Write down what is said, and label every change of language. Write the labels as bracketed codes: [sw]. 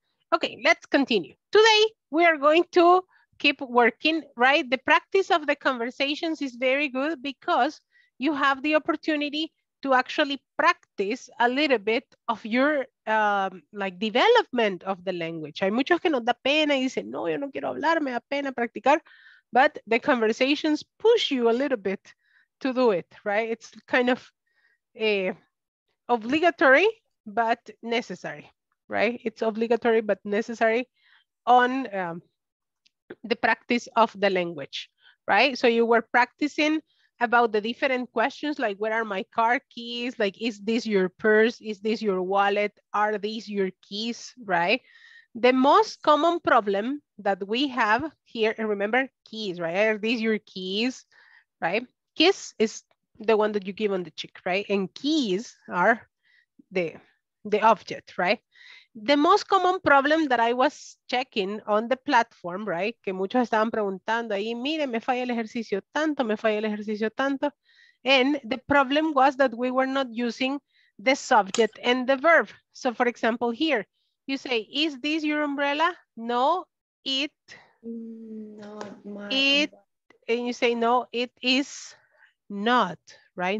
[en] Okay, let's continue. Today, we are going to keep working, right? The practice of the conversations is very good because you have the opportunity to actually practice a little bit of your like development of the language. [es] Hay muchos que nos da pena y dicen, no, yo no quiero hablar, me da pena practicar. [en] But the conversations push you a little bit to do it, right? It's kind of obligatory, but necessary. Right? It's obligatory but necessary on the practice of the language, right? So you were practicing about the different questions like, where are my car keys? Like, is this your purse? Is this your wallet? Are these your keys, right? The most common problem that we have here, and remember, keys, right? Are these your keys, right? Keys is the one that you give on the cheek, right? And keys are the object, right? The most common problem that I was checking on the platform, right? [es] Que muchos estaban preguntando ahí, mire, me falla el ejercicio tanto, me falla el ejercicio tanto. [en] And the problem was that we were not using the subject and the verb. So for example, here, you say, is this your umbrella? No, it, not mine. It, and you say, no, it is not, right?